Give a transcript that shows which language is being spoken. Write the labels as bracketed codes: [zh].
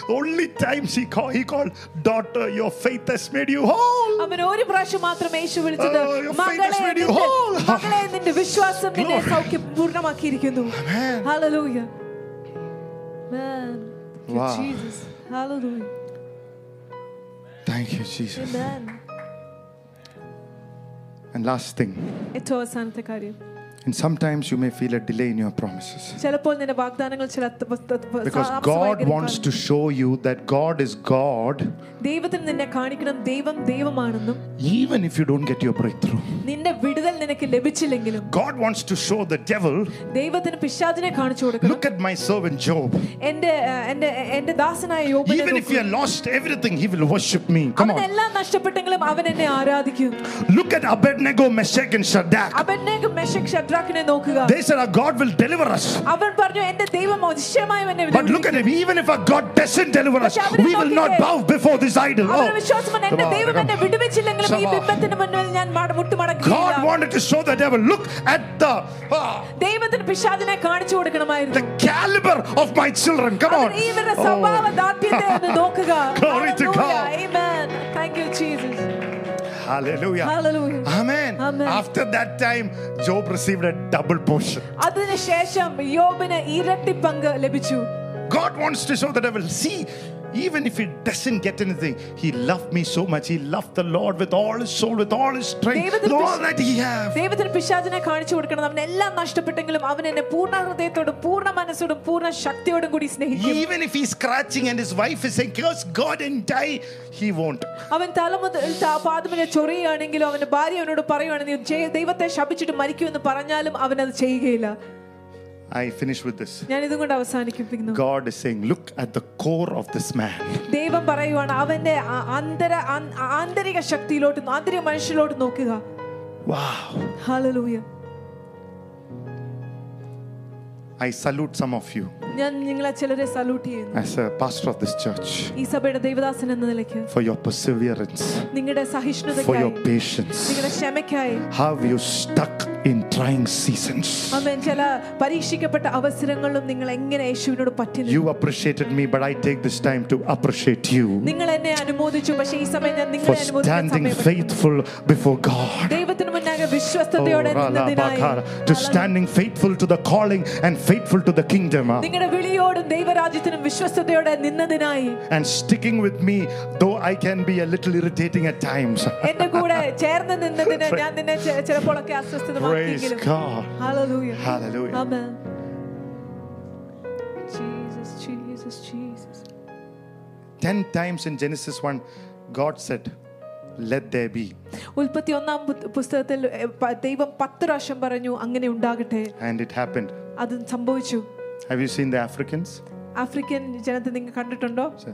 [en] Only time she called, he called, daughter, your faith has made you whole. [ml] അവൻ ഒരു പ്രാവശ്യം മാത്രമേ യേശു വിളിച്ചത് മകളെ നിന്റെ വിശ്വാസം നിന്നെ സൗഖ്യം പൂർണ്ണമാക്കിയിരിക്കുന്നു. Hallelujah. Amen. [en] Wow. Jesus. Hallelujah. Thank you, Jesus. Amen. And last thing. [ml] ഇതു അവസാനത്തെ കാര്യം. [en] And sometimes you may feel a delay in your promises. [ml] ചിലപ്പോൾ നിന്റെ വാഗ്ദാനങ്ങൾ ചില [en] Because God wants to show you that God is God. [ml] ദൈവത്തിന് നിന്നെ കാണിക്കണം ദൈവം ദൈവമാണെന്നും. [en] Even if you don't get your breakthrough. [ml] നിന്റെ വിടുതൽ നിനക്ക് ലഭിച്ചില്ലെങ്കിലും. [en] God wants to show the devil. [ml] ദൈവത്തിന് പിശാചിനെ കാണിച്ചു കൊടുക്കണം. [en] Look at my servant Job. [ml] എൻ്റെ ദാസനായ യോബിനെ [en] Even if he lost everything he will worship me. Come on. [ml] എല്ലാം നഷ്ടപ്പെട്ടെങ്കിലും അവൻ എന്നെ ആരാധിക്കും. [en] Look at Abednego, Meshach and Shadrach. [ml] Abednego മെശക് ഷദ്രാക്കിനെ നോക്കുക. [en] They said our God will deliver us. [ml] അവൻ പറഞ്ഞു എൻ്റെ ദൈവം മോശയമായി എന്നെ വിടുവിക്കും. [en] But look at him. Even if our God doesn't deliver us, we will not bow before this idol. [ml] അവൻ വിശ്വസിച്ചു എൻ്റെ ദൈവം എന്നെ വിടുവിച്ചില്ലെങ്കിലും ഈ ബിംബത്തിന് മുന്നിൽ ഞാൻ മുട്ടുമടക്കില്ല. [en] God wanted to show the devil. Look at the [ml] ദൈവത്തിന് പിശാചിനെ കാണിച്ചു കൊടുക്കണമായിരുന്നു. [en] The caliber of my children. Come on. [ml] അവൻ ഇവരുടെ സ്വഭാവ ദാർഢ്യത്തെ എന്ന് നോക്കുക. [en] Glory to God. Amen. Thank you Jesus. Hallelujah. Hallelujah. Amen. Amen. After that time Job received a double portion. [ml] അതിനു ശേഷം യോബിന് ഇരട്ടി പങ്ക് ലഭിച്ചു. [en] God wants to show the devil. See, even if he doesn't get anything, he loved me so much. He loved the Lord with all his soul, with all his strength, with all that he has. [ml] ദൈവത്തിന് പിശാചിനെ കാണിച്ചു കൊടുക്കണം. അവൻ എല്ലാം നഷ്ടപ്പെട്ടെങ്കിലും അവൻ എന്നെ പൂർണ്ണ ഹൃദയത്തോടും പൂർണ്ണ മനസ്സോടും പൂർണ്ണ ശക്തിയോടും കൂടി സ്നേഹിക്കും. [en] Even if he's scratching and his wife is saying, curse God and die, he won't. [ml] അവൻ തലമുതൽ പാദമുതൽ ചൊറിയുകയാണെങ്കിലും അവന്റെ ഭാര്യ അവനോട് പറയുകയാണെങ്കിലും ദൈവത്തെ ശപിച്ചിട്ട് മരിക്കുമെന്ന് പറഞ്ഞാലും അവൻ അത് ചെയ്യുകയില്ല. [en] I finish with this. [ml] ഞാൻ ഇതും കൊണ്ട് അവസാനിപ്പിക്കുന്നു. [en] God is saying, look at the core of this man. [ml] ദൈവം പറയുവാണ് അവന്റെ ആന്തരിക ശക്തിയിലോട്ട് ആന്തരിക മനുഷ്യനിലോട്ട് നോക്കുക. [en] Wow. Hallelujah. I salute some of you. [ml] ഞാൻ നിങ്ങളെ ചിലരെ സലൂട്ട് ചെയ്യുന്നു. [en] As a pastor of this church. [ml] ഈ സഭയുടെ ദൈവദാസൻ എന്ന നിലയ്ക്ക്. [en] For your perseverance. [ml] നിങ്ങളുടെ സഹിഷ്ണുതയ്ക്കായി. [en] For your patience. [ml] നിങ്ങളുടെ ക്ഷമയ്ക്കായി. [en] How you stuck in trying seasons. [ml] അമേൻ. ചില പരീക്ഷിക്കപ്പെട്ട അവസരങ്ങളിലും നിങ്ങൾ എങ്ങനെ യേശുവിനോട് പറ്റുന്നു. [en] You appreciated me, but I take this time to appreciate you. [ml] നിങ്ങൾ എന്നെ അനുമോദിച്ചു, പക്ഷേ ഈ സമയം ഞാൻ നിങ്ങളെ അനുമോദിക്കുന്ന സമയം. [en] For standing faithful before God. [ml] ദൈവത്തിന് മുന്നാകെ വിശ്വസ്തതയോടെ നിന്നതിനായി. [en] To standing faithful to the calling and faithful to the kingdom. [ml] നിങ്ങളുടെ വിളിയോടും ദൈവരാജ്യത്തിനും വിശ്വസ്തതയോടെ നിന്നതിനായി. [en] And sticking with me, though I can be a little irritating at times. [ml] എന്റെ കൂടെ ചേർന്ന് നിന്നതിന് ഞാൻ നിന്നെ ചിലപ്പോഴൊക്കെ അസ്വസ്ഥത [en] Praise God. Hallelujah. Hallelujah. Amen. Jesus, Jesus, Jesus. 10 times in Genesis 1, God said, let there be. [ml] ഉൽപ്പത്തി ഒന്നാം പുസ്തകത്തിൽ ദൈവം 10 പ്രാവശ്യം പറഞ്ഞു അങ്ങനെ ഉണ്ടാകട്ടെ. [en] And it happened. [ml] അത് സംഭവിച്ചു. [en] Have you seen the Africans? [ml] African ജനത്തെ നിങ്ങൾ കണ്ടിട്ടുണ്ടോ?